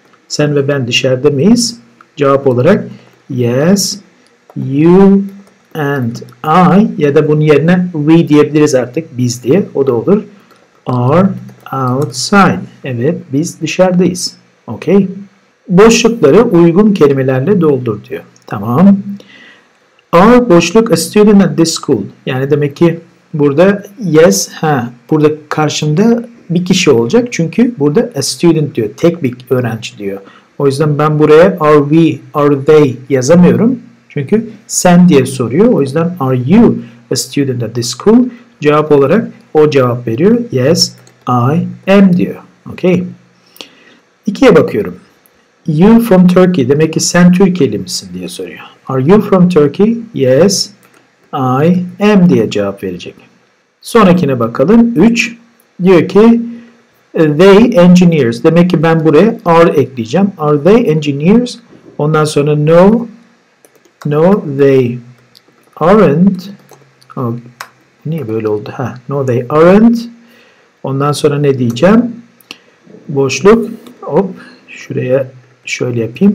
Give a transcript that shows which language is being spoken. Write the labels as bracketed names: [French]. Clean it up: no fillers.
[Turkish] Sen ve ben dışarıda mıyız? Cevap olarak [English] yes, you and I [Turkish] ya da bunun yerine we diyebiliriz artık biz diye. O da olur. [English] Are outside. [Turkish] Evet biz dışarıdayız. Okay. Boşlukları uygun kelimelerle doldur diyor. Tamam. [English] Are boşluk a student at this school? [Turkish] Yani demek ki burada yes, ha, burada karşımda bir kişi olacak. Çünkü burada a student diyor. Tek bir öğrenci diyor. O yüzden ben buraya are we, are they yazamıyorum. Çünkü sen diye soruyor. O yüzden [English] are you a student at this school? [Turkish] Cevap olarak o cevap veriyor. [English] Yes, I am [Turkish] diyor. [English] Okay. [Turkish] 2'ye bakıyorum. [English] You from Turkey. [Turkish] Demek ki sen Türkiye'li misin diye soruyor. [English] Are you from Turkey? Yes, I am [Turkish] diye cevap verecek. Sonrakine bakalım. 3. Diyor ki [English] they engineers. [Turkish] Demek ki ben buraya are ekleyeceğim. [English] Are they engineers? [Turkish] Ondan sonra [English] no. No, they aren't. [Turkish] Oh, niye böyle oldu? Ha, [English] no, they aren't. [Turkish] Ondan sonra ne diyeceğim? Boşluk. Hop, şuraya şöyle yapayım.